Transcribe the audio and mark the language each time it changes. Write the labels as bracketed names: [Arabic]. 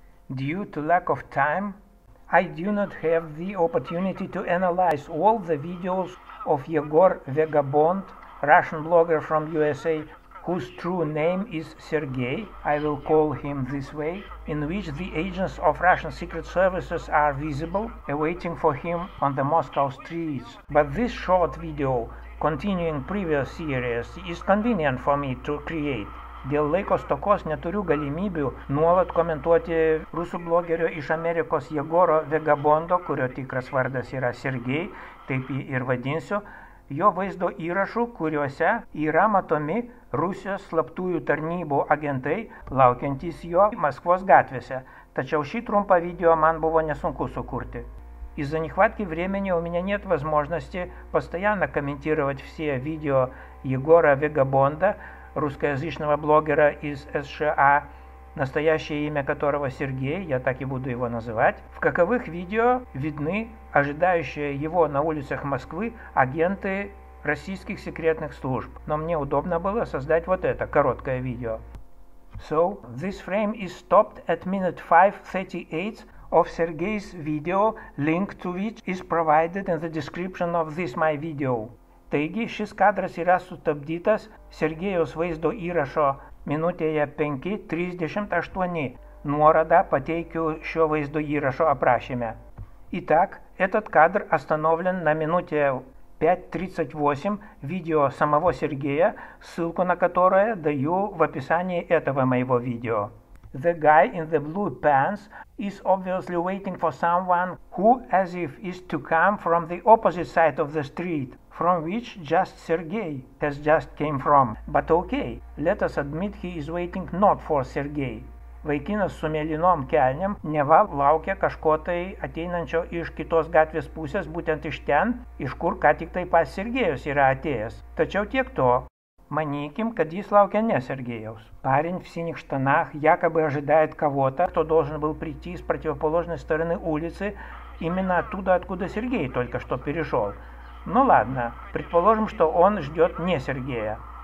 [English] Due to lack of time, I do not have the opportunity to analyze all the videos of Yegor Vagabond, Russian blogger from USA, whose true name is Sergei, I will call him this way, in which the agents of Russian secret services are visible, awaiting for him on the Moscow streets. But this short video, continuing previous series, is convenient for me to create. [Lithuanian] Dėl laiko stokos neturiu galimybių nuolat komentuoti rusų blogerio iš Amerikos Jegoro Vagabondo, kurio tikras vardas yra Sergei, taip jį ir vadinsiu, jo vaizdo įrašų, kuriuose yra matomi Rusijos slaptųjų tarnybų agentai, laukiantys jo Maskvos gatvėse. Tačiau šį trumpą video man buvo nesunku sukurti. [Russian] Из-за нехватки времени у меня нет возможности постоянно комментировать все видео Егора Вагабонда, русскоязычного блогера из США, настоящее имя которого Сергей, я так и буду его называть, в каковых видео видны ожидающие его на улицах Москвы агенты российских секретных служб. Но мне удобно было создать вот это короткое видео. [English] So, this frame is stopped at minute 5:38 of Sergei's video, link to which is provided in the description of this my video. [Lithuanian] Taigi, šis kadras yra sutabdytas Sergejaus vaizdo įrašo minutėje 5:38. Nuorodą pateikiu šio vaizdo įrašo aprašyme. [Russian] Итак, этот кадр остановлен на минуте 5:38 видео самого Сергея, ссылку на которое даю в описании этого моего видео. [English] The guy in the blue pants is obviously waiting for someone who as if is to come from the opposite side of the street, from which just Sergei has just came from. But okay, let us admit he is waiting not for Sergei. [Lithuanian] Vaikinas su mėlynom kelniam neva laukia kažko tai ateinančio iš kitos gatvės pusės, būtent iš ten, iš kur ką tik tai pas Sergejus yra atėjęs. Tačiau tiek to. Manykim, kad jis laukia ne Sergejaus. [Russian] Парень в синих штанах якобы ожидает кого-то, кто должен был прийти с противоположной стороны улицы, именно оттуда, откуда Сергей только что перешел. Ну ладно, предположим, что он ждет не Сергея.